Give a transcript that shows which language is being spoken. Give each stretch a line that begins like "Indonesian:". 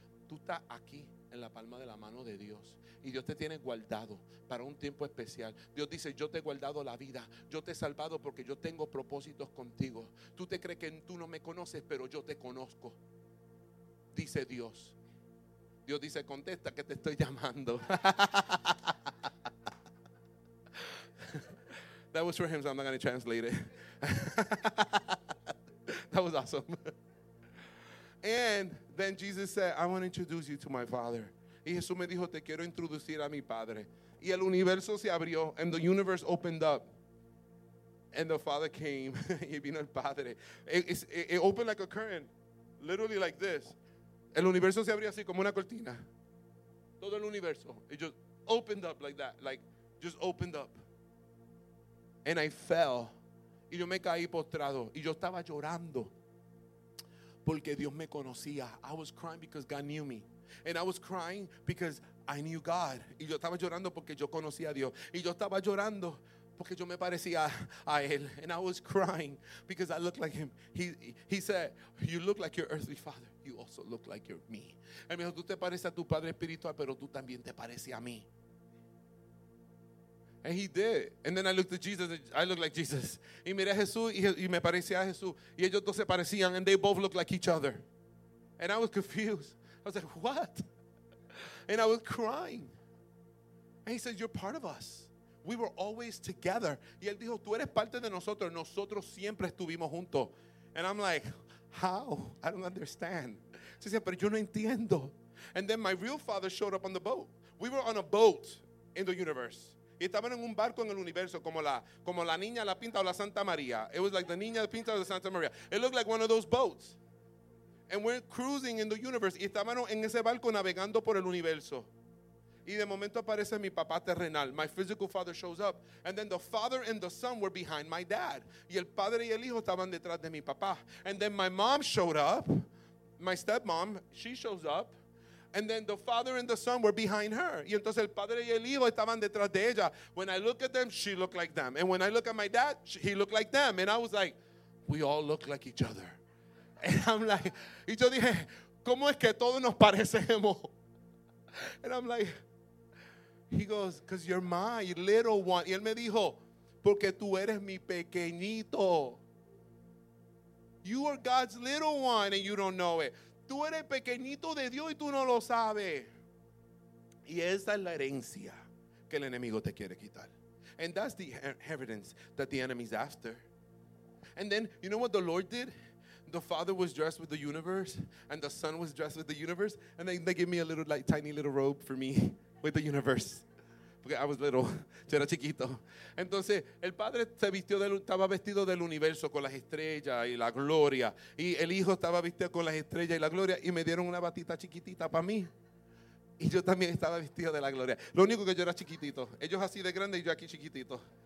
Spanish: Tú estás aquí en la palma de la mano de Dios. Y Dios te tiene guardado para un tiempo especial. Dios dice, yo te he guardado la vida. Yo te he salvado porque yo tengo propósitos contigo. Tú te crees que tú no me conoces, pero yo te conozco, dice Dios. Dios dice, contesta que te estoy llamando.
English: That was for him, so I'm not going to translate it. That was awesome. And then Jesus said, I want to introduce you to my father.
Spanish: Y Jesús me dijo, te quiero introducir a mi padre. Y el universo se abrió,
English: and the universe opened up. And the father came,
Spanish: y vino el padre.
English: It opened like a curtain, literally like this.
Spanish: El universo se abrió así, como una cortina. Todo el universo,
English: it just opened up like that, like just opened up. And I fell,
Spanish: y yo me caí postrado, y yo estaba llorando. Porque Dios me conocía.
English: I was crying because God knew me. And I was crying because I knew God.
Spanish: Y yo estaba llorando porque yo conocía a Dios. Y yo estaba llorando porque yo me parecía a Él.
English: And I was crying because I looked like Him. He said, you look like your earthly father. You also look like your me.
Spanish: Él me dijo, tú te pareces a tu padre espiritual, pero tú también te pareces a mí.
English: And he did. And then I looked at Jesus. And I looked like Jesus.
Spanish: Y miré a Jesús y me parecía a Jesús. Y ellos dos se parecían.
English: And they both looked like each other. And I was confused. I was like, what? And I was crying. And he said, you're part of us. We were always together.
Spanish: Y él dijo, tú eres parte de nosotros. Nosotros siempre estuvimos juntos.
English: And I'm like, how? I don't understand.
Spanish: Se dice, pero yo no entiendo.
English: And then my real father showed up on the boat. We were on a boat in the universe.
Spanish: Y estaban en un barco en el universo, como la niña, la pinta o la Santa María.
English: It was like the niña, la pinta o la Santa María. It looked like one of those boats. And we're cruising in the universe.
Spanish: Y estaban en ese barco navegando por el universo. Y de momento aparece mi papá terrenal.
English: My physical father shows up. And then the father and the son were behind my dad.
Spanish: Y el padre y el hijo estaban detrás de mi papá.
English: And then my mom showed up. My stepmom, she shows up. And then the father and the son were behind her.
Spanish: Y entonces el padre y el hijo estaban detrás de ella.
English: When I look at them, she looked like them. And when I look at my dad, he looked like them. And I was like, we all look like each other. And I'm like,
Spanish: y yo dije, ¿cómo es que todos nos parecemos?
English: And I'm like, he goes, because you're my little one.
Spanish: Y él me dijo, porque tú eres mi pequeñito.
English: You are God's little one and you don't know it.
Spanish: Tú eres pequeñito de Dios y tú no lo sabes. Y esa es la herencia que el enemigo te quiere quitar.
English: And that's the inheritance that the enemy is after. And then, you know what the Lord did? The Father was dressed with the universe, and the Son was dressed with the universe, and then they gave me a little, like, tiny little robe for me with the universe.
Spanish: Porque
English: I was little.
Spanish: Yo era chiquito. Entonces, el padre estaba vestido del universo con las estrellas y la gloria. Y el hijo estaba vestido con las estrellas y la gloria. Y me dieron una batita chiquitita para mí. Y yo también estaba vestido de la gloria. Lo único que yo era chiquitito. Ellos así de grande y yo aquí chiquitito.